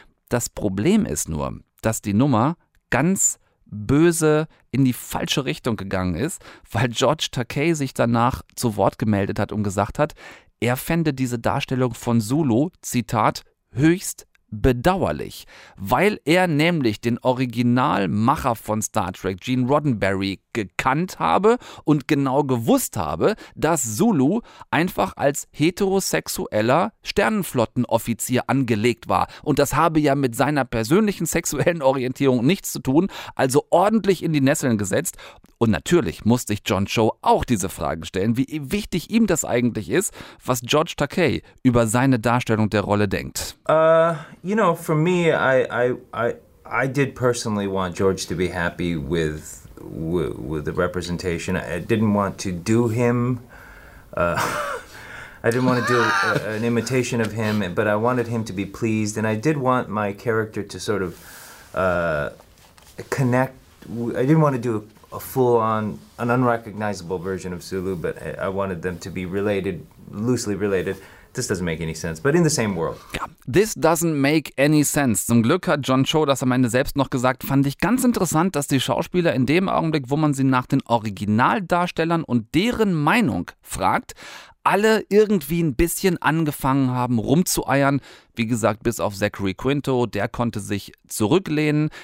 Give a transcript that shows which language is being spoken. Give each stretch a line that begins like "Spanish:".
German: Das Problem ist nur, dass die Nummer ganz böse in die falsche Richtung gegangen ist, weil George Takei sich danach zu Wort gemeldet hat und gesagt hat, er fände diese Darstellung von Sulu, Zitat, höchst bedauerlich, weil er nämlich den Originalmacher von Star Trek, Gene Roddenberry, gekannt habe und genau gewusst habe, dass Sulu einfach als heterosexueller Sternenflottenoffizier angelegt war. Und das habe ja mit seiner persönlichen sexuellen Orientierung nichts zu tun, also ordentlich in die Nesseln gesetzt. Und natürlich musste ich John Cho auch diese Frage stellen, wie wichtig ihm das eigentlich ist, was George Takei über seine Darstellung der Rolle denkt.
English: You know, for me, I did personally want George to be happy with the representation. I didn't want to do him. I didn't want to do an imitation of him, but I wanted him to be pleased. And I did want my character to sort of connect. I didn't want to do a full-on, an unrecognizable version of Sulu, but I wanted them to be related, loosely related. This doesn't make any sense, but in the same world. This doesn't make any sense.
German: Zum Glück hat John Cho das am Ende selbst noch gesagt. Fand ich ganz interessant, dass die Schauspieler in dem Augenblick, wo man sie nach den Originaldarstellern und deren Meinung fragt, alle irgendwie ein bisschen angefangen haben, rumzueiern. Wie gesagt, bis auf Zachary Quinto, der konnte sich zurücklehnen.